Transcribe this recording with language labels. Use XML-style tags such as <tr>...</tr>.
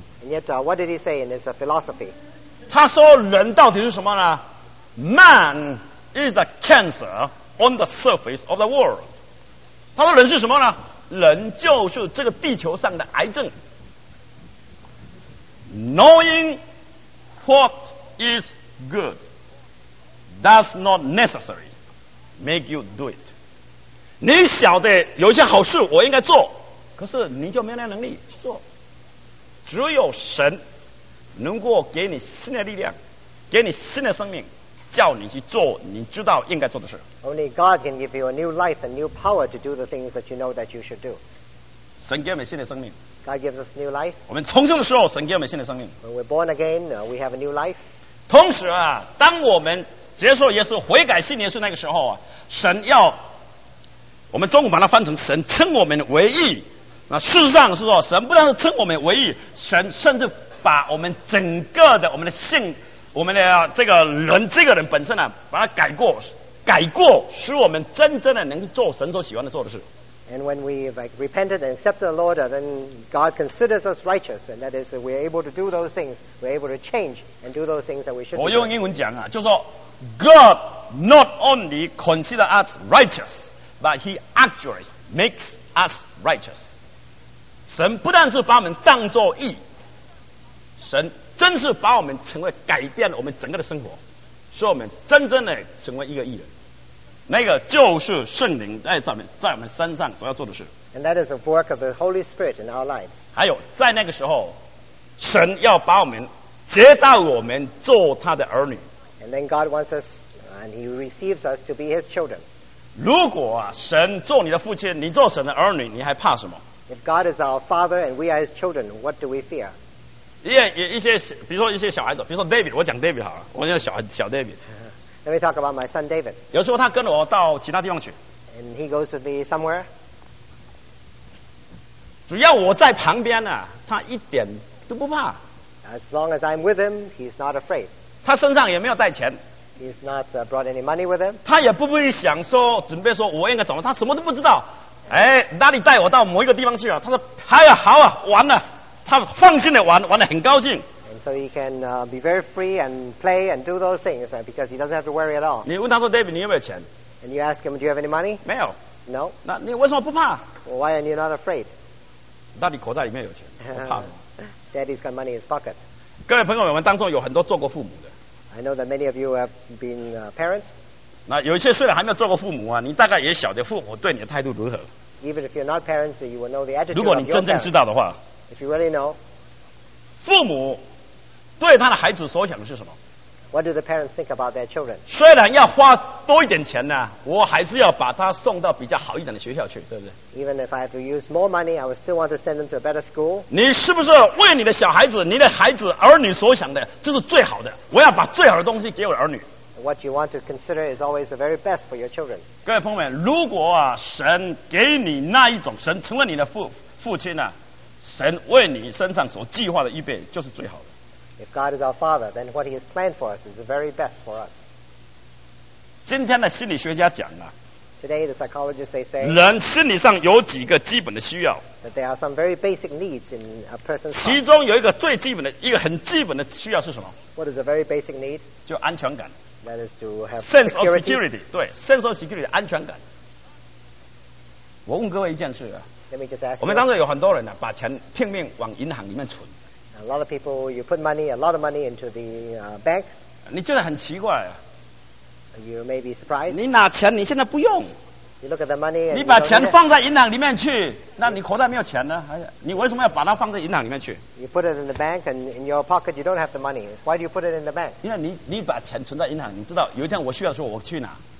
<en>？And yet, what did he say in his philosophy?</en> <zh>他说人到底是什么呢</zh> <en>？Man is a cancer on the surface of the world.</en> <zh>他说人是什么呢？人就是这个地球上的癌症。</zh> <en>Knowing what is good does not necessary. Make you do it.</en> <zh>你晓得有一些好事我应该做，可是你就没有那能力去做。只有神能够给你新的力量，给你新的生命，叫你去做你知道应该做的事。</zh> <en>Only God can give you a new life and new power to do the things that you know that you should do.</en> <zh>神给我们新的生命。</zh> <en>God gives us new life.</en> <zh>我们重生的时候，神给我们新的生命。</zh> <en>When we're born again, we have a new life.</en> <zh>同时啊，当我们接受耶稣悔改信耶稣那个时候啊，神要我们中文把它翻成神称我们为义。那事实上是说，神不但是称我们为义，神甚至把我们整个的我们的性，我们的这个人本身呢、啊，把它改过，使我们真正的能做神所喜欢的做的事。</zh> <en>And when we have repented and accepted the Lord, then God considers us righteous, and that is we are able to do those things. We are able to change and do those things that we should.</en> <zh>我用英文讲啊，就说。</zh> <en>God not only considers us righteous, but He actually makes us righteous.</en> <zh>神不但是把我们当作义，神真是把我们成为改变了我们整个的生活，使我们真正的成为一个义人。那个就是圣灵在我们身上所要做的事。</zh> <en>And that is the work of the Holy Spirit in our lives.</en> <zh>还有在那个时候，神要把我们接到我们做他的儿女。</zh> <en>And then God wants us, and He receives us to be His children.</en> <zh>如果啊，神做你的父亲，你做神的儿女，你还怕什么</zh> <en>？If God is our Father and we are His children, what do we fear?</en> <zh>一些，比如说一些小孩子，比如说 David， 我讲 David 好了，我讲小 David。</zh> <en>Let me talk about my son David.</en> <zh>有时候他跟我到其他地方去</zh> <en>，and he goes with me somewhere.</en> <zh>只要我在旁边呢、啊，他一点都不怕。</zh> <en>As long as I'm with him, he's not afraid.</en> <zh>他身上也没有带钱</zh> <en>He's not brought any money with him.</en> <zh>他也不会想说准备说我应该怎么他什么都不知道哎，哪里带我到某一个地方去啊？他说哎呀好啊玩了他放心的玩得很高兴</zh> <en>and so he can be very free and play and do those things because he doesn't have to worry at all</en> <zh>你问他说 David 你有没有钱</zh> <en>and you ask him do you have any money</en> <zh>没有</zh> <en>no</en> <zh>那你为什么不怕</zh> <en>well, why are you not afraid</en> <zh>那你口袋里面有钱怕什么</zh> <en>Daddy's got money in his pocket</en> <zh>各位朋友们，我们当中有很多做过父母的。</zh> <en>I know that many of you have been parents.</en> <zh>那有一些虽然还没有做过父母啊，你大概也晓得父母对你的态度如何。</zh> <en>Even if you're not parents, you will know the attitude.</en> <zh>如果你真正知道的话</zh> <en>，If you really know,</en> <zh>父母对他的孩子所想的是什么</zh> <en>？What do the parents think about their children?</en> <zh>虽然要花多一点钱呢，我还是要把他送到比较好一点的学校去，对不对</zh> <en>？Even if I have to use more money, I would still want to send them to a better school.</en> <zh>你是不是为你的小孩子、你的孩子、儿女所想的，这是最好的？我要把最好的东西给我的儿女。</zh> <en>What you want to consider is always the very best for your children.</en> <zh>各位朋友们，如果啊，神给你那一种，神成为你的父父亲啊，神为你身上所计划的预备就是最好的。</zh> <en>If God is our Father, then what He has planned for us is the very best for us.</en> <zh>今天的心理学家讲啊</zh> <en>，Today the psychologists they say</en> <zh>人心理上有几个基本的需要</zh> <en>，that there are some very basic needs in a person's</en> <zh>life. 其中有一个最基本的一个很基本的需要是什么</zh> <en>？What is a very basic need?</en> <zh>就安全感。</zh> <en>That is to have sense of security. 对 ，sense of security 安全感。</en> <zh>我问各位一件事啊。</zh> <en>Let me just ask</en> <zh>我们当中有很多人呢、啊，把钱拼命往银行里面存。</zh> <en>A lot of people, you put money, a lot of money into the bank.</en> <zh>你觉得很奇怪、啊。</zh> <en>You may be surprised.</en> <zh>你拿钱，你现在不用。</zh> <en>You look at the money.</en> <zh>你把钱放在银行里面去，那你口袋没有钱呢？你为什么要把它放在银行里面去</zh> <en>？You put it in the bank, and in your pocket, you don't have the money. Why do you put it in the bank?</en> <zh>因为你把钱存在银行，你知道有一天我需要的时候我去拿。</zh>